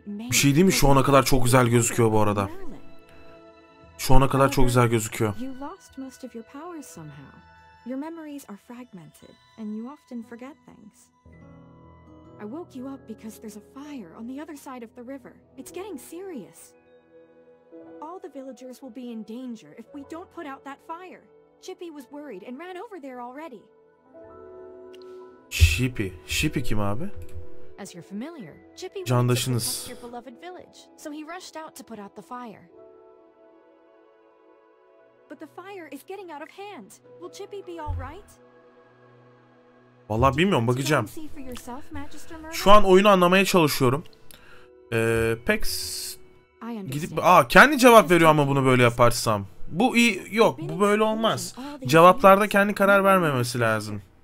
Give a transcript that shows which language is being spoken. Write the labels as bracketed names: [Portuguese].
[Turkish] Bir şey değil mi? Şu ana kadar çok güzel gözüküyor bu arada. Şu ana kadar çok güzel gözüküyor. [English] You lost most of your powers somehow. Your memories are fragmented and you often forget things. I woke you up because there's a fire on the other side of the river. It's getting serious. All the villagers will be in danger if we don't put out that fire. Chippy was worried and ran over there already. [Turkish] Chippy. Chippy kim abi? [English] As you're familiar, Chippy was in your beloved village, so he rushed out to put out the fire. But the fire is getting out of hand. Will Chippy be all right? [Turkish] Vallahi bilmiyorum, bakacağım. Şu an oyunu anlamaya çalışıyorum. Pek gidip kendi cevap veriyor ama bunu böyle yaparsam. Bu iyi, yok bu böyle olmaz. Cevaplarda kendi karar vermemesi lazım.